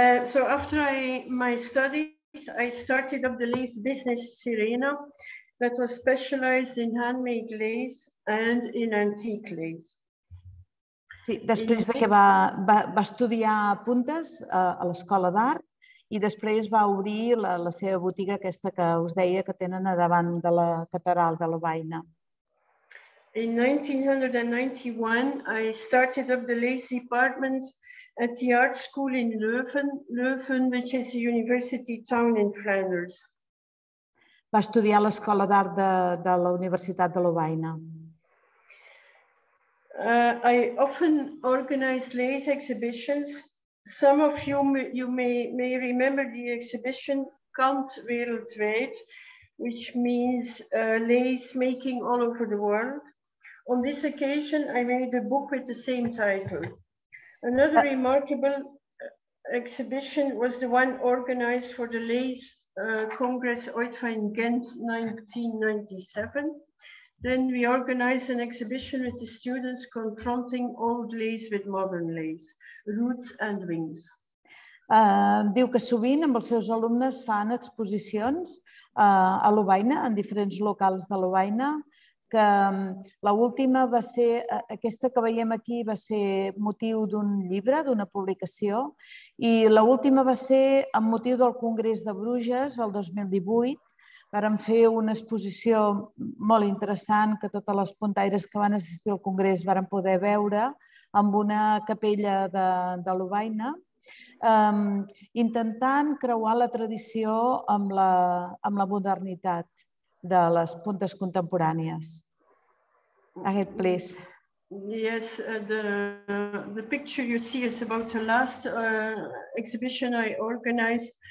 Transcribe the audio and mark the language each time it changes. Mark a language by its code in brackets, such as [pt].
[en] So after my studies, I started up the lace business Sirena that was specialized in handmade lace and in antique lace. [ca] Sí, després de que va estudiar puntes a l'Escola d'Art i després va obrir la seva botiga aquesta que us deia que tenen a davant de la catedral de Lovaina. [en] In 1991, I started up the lace department at the art school in Leuven, which is a university town in Flanders. [ca] Va estudiar a l'Escola d'Art de la Universitat de Lovaina. [en] I often organize lace exhibitions. Some of you you may remember the exhibition Kant Wereldwijd, which means lace making all over the world. On this occasion, I made a book with the same title. Another remarkable exhibition was the one organized for the lace Congress Oitva in Ghent 1997. Then we organized an exhibition with the students confronting old lace with modern lace, roots and wings. [ca] Diu que sovint amb els seus alumnes fan exposicions a Lovaina, en diferents locals de Lovaina, que l'última va ser, aquesta que veiem aquí, va ser motiu d'un llibre, d'una publicació, i l'última va ser amb motiu del Congrés de Bruges el 2018, vàrem fer una exposició molt interessant que totes les puntaires que van assistir al Congrés vàrem poder veure amb una capella de Lovaina, intentant creuar la tradició amb la modernitat de les puntes contemporànies. [en] Ahead, please. Yes, the picture you see is about the last exhibition I organized.